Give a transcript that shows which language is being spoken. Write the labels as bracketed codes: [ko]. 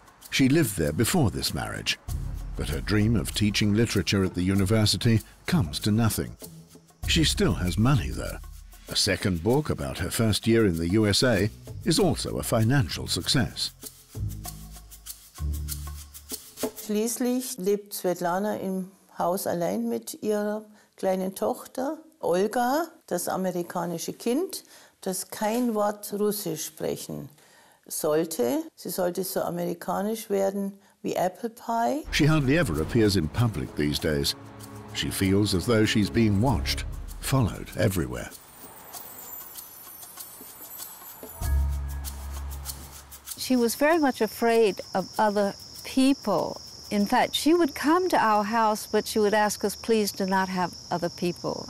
[en] She lived there before this marriage, but her dream of teaching literature at the university comes to nothing. She still has money, though. A second book about her first year in the USA is also a financial success. [de] Schließlich lebt Svetlana im Haus allein mit ihrer kleinen Tochter Olga, das amerikanische Kind, das kein Wort Russisch sprechen sollte. Sie sollte so amerikanisch werden wie Apple Pie. [en] She hardly ever appears in public these days. She feels as though she's being watched, followed everywhere. She was very much afraid of other people. In fact, she would come to our house, but she would ask us please to not have other people.